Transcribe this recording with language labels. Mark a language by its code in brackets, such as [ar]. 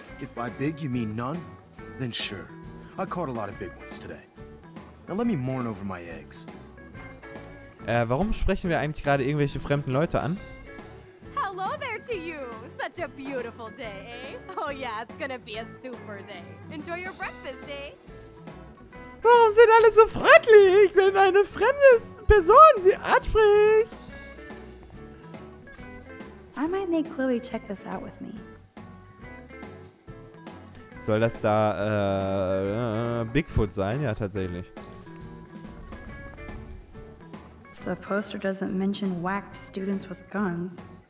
[en] If by big you mean none, then sure. I caught a lot of big ones today. Now let me mourn over my eggs. [de] Warum sprechen wir eigentlich gerade irgendwelche fremden Leute an? [en] Hello there to you. Such a beautiful day, eh? Oh yeah, it's gonna be a super day. Enjoy your breakfast, eh? [de] Warum sind alle so freundlich, wenn eine fremde Person sie anspricht? [en] I might make Chloe check this out with me. [de] Soll das da Bigfoot sein? Ja, tatsächlich. [en] The poster doesn't mention whacked students with guns.